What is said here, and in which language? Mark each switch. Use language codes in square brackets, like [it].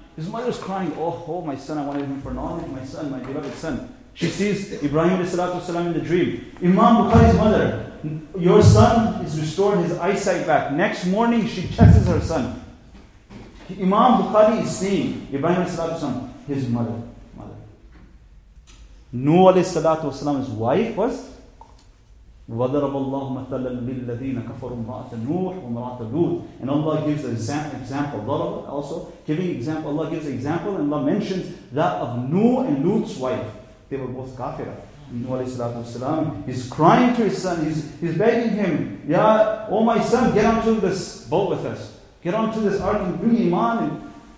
[en] His mother is crying, oh my son, I wanted him for knowledge, my son, my beloved son. She sees Ibrahim in the dream. Imam Bukhari's mother, your son is restored his eyesight back. Next morning, she checks her son. Imam Bukhari is seeing Ibrahim, his mother. Nuh alayhi salatu wasalam's wife was [ar] وَضَرَبَ اللَّهُ مَثَلًا لِلَّذِينَ كَفَرُوا مَرَاتَ نُوحٍ وَمَرَاتَ لُوتٍ. [en] And Allah gives an example. ضَرَبَ also giving example. Allah gives an example and Allah mentions that of Nuh and Lut's wife. They were both kafirah. Nuh alayhi salatu wasalam is crying to his son. He's begging him, Ya, oh my son, get onto this boat with us. Get onto this ark and bring iman.